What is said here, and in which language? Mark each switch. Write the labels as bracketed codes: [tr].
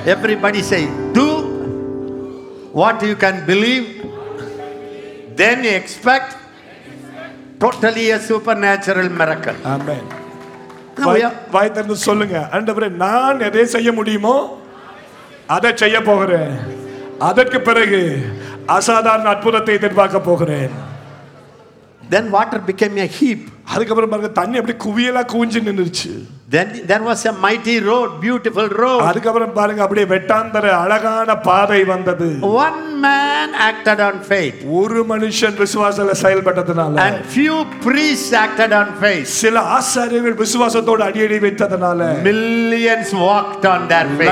[en] Everybody say do what you can believe then expect totally a supernatural miracle. Amen. [ta] வாய் திறந்து சொல்லுங்க ஆண்டவரே நான் எதை செய்ய முடியுமோ அதை செய்ய போகிறேன். அதற்கு பிறகு அசாதாரண அற்புதத்தை எதிர்பார்க்க போகிறேன். [en] Then water became a heap. [ta] அதுக்கப்புறம் பாருங்க தண்ணி அப்படி குவியலா குவிஞ்சு நின்றுச்சு. [en] Then there was a mighty road, beautiful road. [ta] அதுக்கப்புறம் பாருங்க அப்படியே வெட்டாந்தர அழகான பாதை வந்தது. [en] One man. man acted on faith. [ta] ஒரு மனுஷன் விசுவாசல செயல்பட்டதனால. [en] And few priests acted on faith. [ta] சில ஆசாரியர்கள் விசுவாசத்தோட அடியடி வைத்ததனால. [en] Millions walked on their faith.